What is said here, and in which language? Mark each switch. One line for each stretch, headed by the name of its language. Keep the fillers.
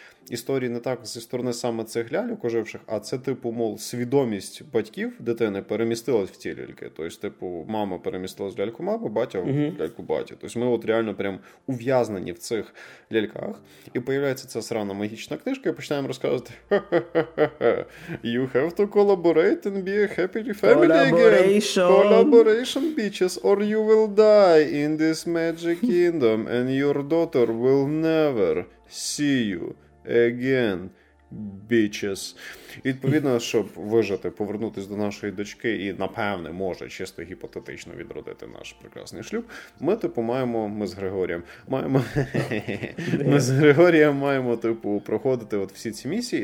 Ukrainian: Історії не так зі сторони саме цих ляльок оживших, а це, типу, мов, свідомість батьків дитини перемістилась в ті ляльки. Тобто, типу, мама перемістилась в ляльку мами, батя в ляльку батя. Тобто, ми от реально прям ув'язнені в цих ляльках. І появляється ця срана магічна книжка, і починаємо розказувати:
English: Ха-ха-ха-ха, you have to collaborate and be a happy family again. Collaboration bitches, or you will die in this Magic Kingdom, and your daughter will never see you. Again, bitches.
Ukrainian: І Відповідно, щоб вижити, повернутися до нашої дочки, і, напевне, може чисто гіпотетично відродити наш прекрасний шлюб. Ми, типу, маємо. Ми з Григорієм маємо yeah.
English: Yeah.
Ukrainian: ми з Григорієм маємо, типу, проходити от всі ці місії.